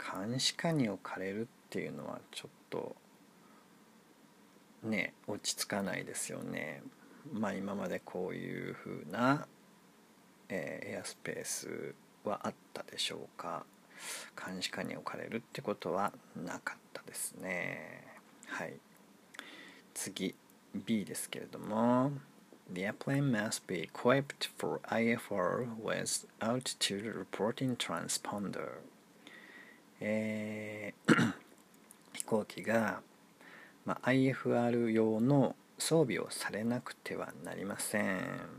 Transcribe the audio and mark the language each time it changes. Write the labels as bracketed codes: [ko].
[ja] 監視下に置かれるっていうのはちょっとね、落ち着かないですよね。まあ今までこういうふうな、エアスペースはあったでしょうか。監視下に置かれるってことはなかったですね。はい。次、B ですけれども。 [en] The airplane must be equipped for IFR with altitude reporting transponder. [ja] 飛行機が、まあ、IFR 用の装備をされなくてはなりません。